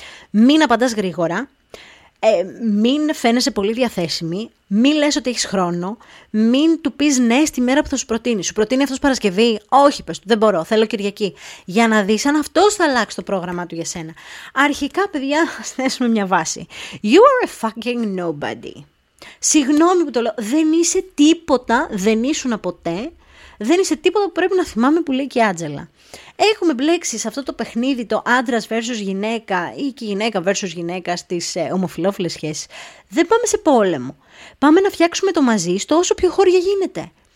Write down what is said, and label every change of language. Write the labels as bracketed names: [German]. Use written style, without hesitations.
[Greek] Μην απαντάς γρήγορα, μην φαίνεσαι πολύ διαθέσιμη, μην λες ότι έχεις χρόνο, μην του πεις ναι στη μέρα που θα σου προτείνει. Σου προτείνει αυτός Παρασκευή, όχι πες του, δεν μπορώ, θέλω Κυριακή. Για να δεις αν αυτός θα αλλάξει το πρόγραμμά του για σένα. Αρχικά παιδιά, ας θέσουμε μια βάση. [English] You are a fucking nobody. [Greek] Συγγνώμη που το λέω, δεν είσαι τίποτα, δεν ήσουν ποτέ, δεν είσαι τίποτα που πρέπει να θυμάμαι που λέει και η Άντζελα. Έχουμε μπλέξει σε αυτό το παιχνίδι το άντρας versus γυναίκα ή και γυναίκα versus γυναίκα στις ομοφιλόφιλες σχέσεις. Δεν πάμε σε πόλεμο, πάμε να φτιάξουμε το μαζί στο όσο πιο χώρια γίνεται.